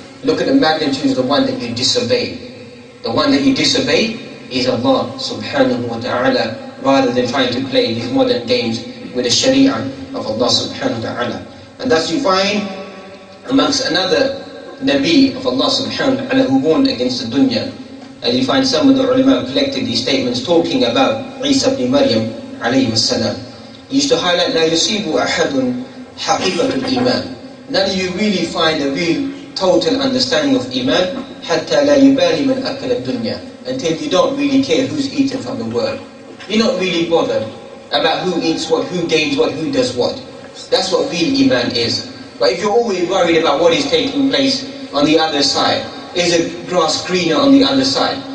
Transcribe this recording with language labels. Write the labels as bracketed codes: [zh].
[en] Look at the magnitude of the one that you disobeyed. The one that you disobeyed is Allah subhanahu wa ta'ala, rather than trying to play these modern games with the sharia of Allah subhanahu wa ta'ala. And thus you find amongst another Nabi of Allah subhanahu wa ta'ala who warned against the dunya, and you find some of the ulama collected these statements talking about Isa ibn Maryam alayhi salam. He used to highlight, [ar] لَا يُصِيبُ أَحَدٌ حَقِيقَةُ الْإِيمَانِ. [en] None of you really find a real total understanding of Iman [ar] حَتَّى لَا يُبَالِي مَنْ أَكَلَ الدُّنْيَا. [en] Until you don't really care who's eaten from the world. You're not really bothered about who eats what, who gains what, who does what. That's what real Iman is. But if you're always worried about what is taking place on the other side, is it grass greener on the other side?